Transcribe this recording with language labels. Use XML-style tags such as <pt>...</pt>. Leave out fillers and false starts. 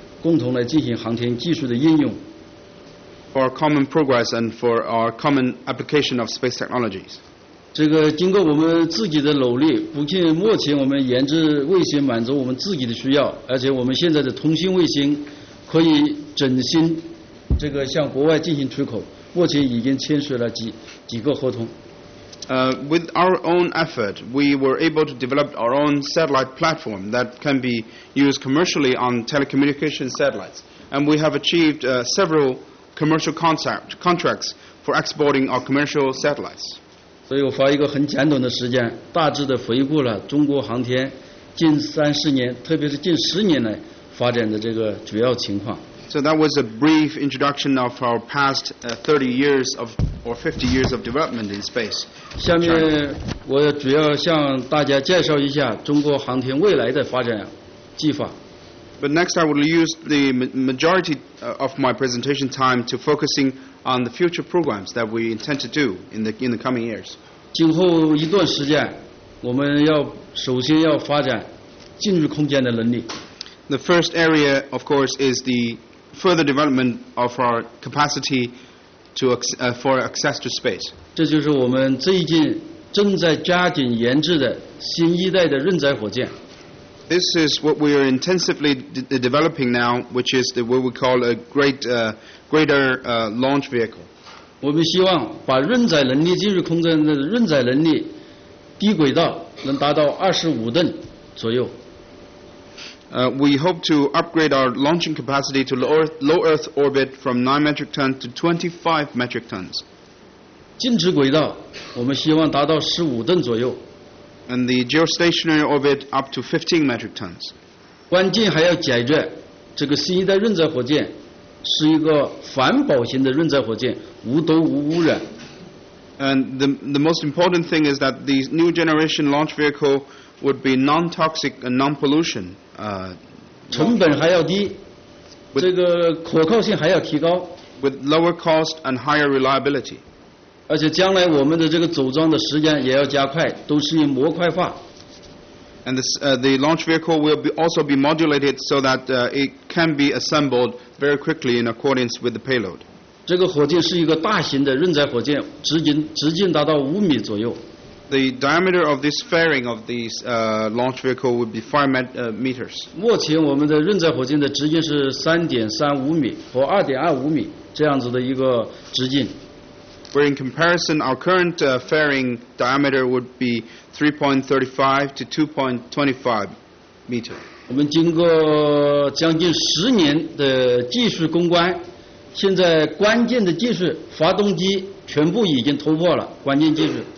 <zh>共同来进行航天技术的应用。</zh> <en>For common progress and for our common application of space technologies.</en> <zh>这个经过我们自己的努力，不仅目前我们研制卫星满足我们自己的需要，而且我们现在的通信卫星可以整新，这个向国外进行出口。目前已经签署了几个合同。</zh> <en>With our own effort, we were able to develop our own satellite platform that can be used commercially on telecommunication satellites. And we have achieved several commercial contracts for exporting our commercial satellites.</en> <zh>所以我花一个很简短的时间，大致地回顾了中国航天近30年，特别是近10年来发展的这个主要情况。</zh> <en>So that was a brief introduction of our past 30 years of or 50 years of development in space.</en> <zh>下面我主要向大家介绍一下中国航天未来的发展计划。</zh> <en>But next I will use the majority of my presentation time to focusing on the future programs that we intend to do in the coming years.</en> <zh>今后一段时间我们要首先要发展进入空间的能力。</zh> <en>The first area, of course, is the further development of our capacity for access to space.</en> <zh>这就是我们最近正在加紧研制的新一代的运载火箭。</zh> <en>This is what we are intensively developing now, which is what we call a greater launch vehicle.</en> <zh>我们希望把运载能力进入空间的运载能力低轨道能达到25吨左右。</zh> <en>We hope to upgrade our launching capacity to low Earth orbit from 9 metric tons to 25 metric tons.</en> <zh>静止轨道，我们希望达到15吨左右。</zh> <en>And the geostationary orbit up to 15 metric tons.</en> <zh>关键还要解决这个新一代运载火箭是一个环保型的运载火箭，无毒无污染。</zh> <en>And the most important thing is that the new generation launch vehicle would be non-toxic and non-pollution.</en> <zh>成本还要低，这个可靠性还要提高。</zh> <en>With lower cost and higher reliability.</en> <zh>而且将来我们的这个组装的时间也要加快，都适应模块化。</zh> <en>And the launch vehicle will also be modulated so that it can be assembled very quickly in accordance with the payload.</en> <zh>这个火箭是一个大型的运载火箭，直径达到5米左右。</zh> <en>The diameter of this fairing of this launch vehicle would be 5 meters.</en> <zh>目前我们的运载火箭的直径是3.35米和2.25米这样子的一个直径。</zh> <en>Where in comparison, our current fairing diameter would be 3.35 to 2.25 meter.</en> <zh>我们经过将近10年的技术攻关，现在关键的技术发动机全部已经突破了关键技术。</zh>